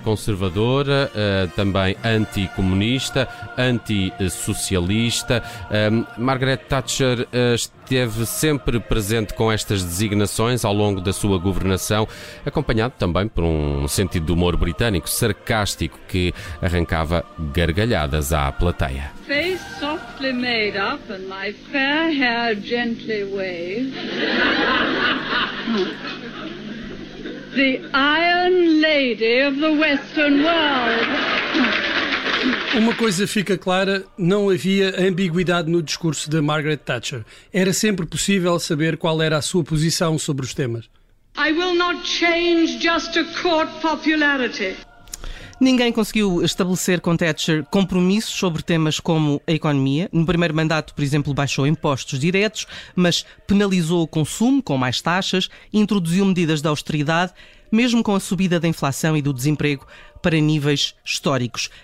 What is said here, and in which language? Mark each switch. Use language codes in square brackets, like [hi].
[pt] Conservadora, também anticomunista, antissocialista. Margaret Thatcher esteve sempre presente com estas designações ao longo da sua governação, acompanhado também por um sentido de humor britânico sarcástico que arrancava gargalhadas à plateia. [en] Face softly made up and my fair hair gently waved. The Iron Lady of the Western World. [pt] Uma coisa fica clara, não havia ambiguidade no discurso de Margaret Thatcher. Era sempre possível saber qual era a sua posição sobre os temas. [en] I will not change just to court popularity. [pt] Ninguém conseguiu estabelecer com Thatcher compromissos sobre temas como a economia. No primeiro mandato, por exemplo, baixou impostos diretos, mas penalizou o consumo com mais taxas, introduziu medidas de austeridade, mesmo com a subida da inflação e do desemprego para níveis históricos.